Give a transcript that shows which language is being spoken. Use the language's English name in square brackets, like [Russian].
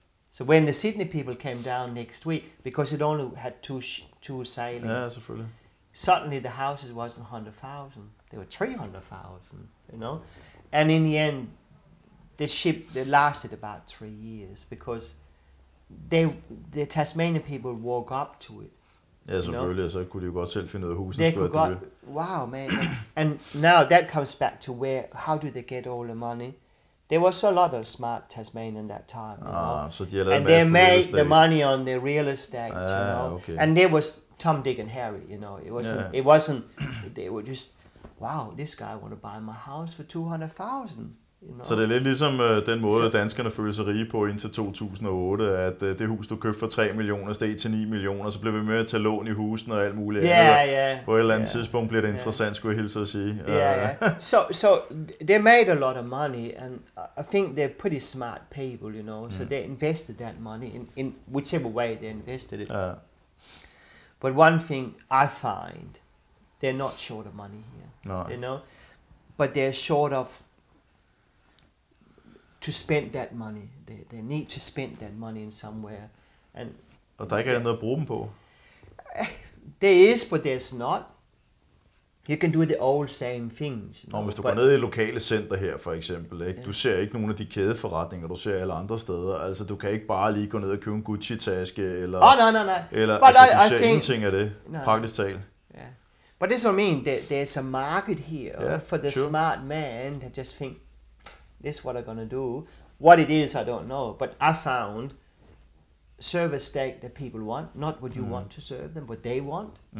[English] So when the Sydney people came down next week, because it only had two sailings. Yeah, that's a fruit. Suddenly the houses wasn't 100,000. They were 300,000, you know. And in the end, the ship, they lasted about 3 years because the Tasmanian people woke up to it. [Danish] Ja, selvfølgelig, og så kunne de jo godt selv finde ud af husene. [English] Wow, man. And now that comes back to how do they get all the money? There was a lot of smart Tasmanian that time. [Danish] Ah, so de har lavet [English] and they made the money on their real estate, you know. Okay. And there was Tom, Dick and Harry, you know. It wasn't, they were just, wow, this guy want to buy my house for 200,000, [Danish] Så det er lidt ligesom den måde, danskerne føler sig rige på indtil 2008, at det hus, du købte for 3 millioner, steg til 9 millioner, så blev vi med at tage lån i husen og alt muligt. [English] Yeah. [Danish] På et eller andet tidspunkt bliver det interessant, skulle jeg hilse at sige. [English] So they made a lot of money, and I think they're pretty smart people, you know, so they invested that money in whichever way they invested it. But one thing I find, they're not short of money here, you know, but they're short of to spend that money. They need to spend that money in somewhere. And [Danish] og der ikke er noget at bruge dem på. [English] There is, but there's not. You can do the old same things. [Danish] Nå, hvis du går ned i lokale center her, for eksempel, ikke? Du ser ikke nogen af de kædeforretninger, du ser alle andre steder. Altså, du kan ikke bare lige gå ned og købe en Gucci-taske, eller... praktisk talt. [English] But this will mean that there's a market here for the smart man that just think, this is what I'm gonna do. What it is, I don't know. But I found serve a steak that people want, not what you want to serve them, what they want.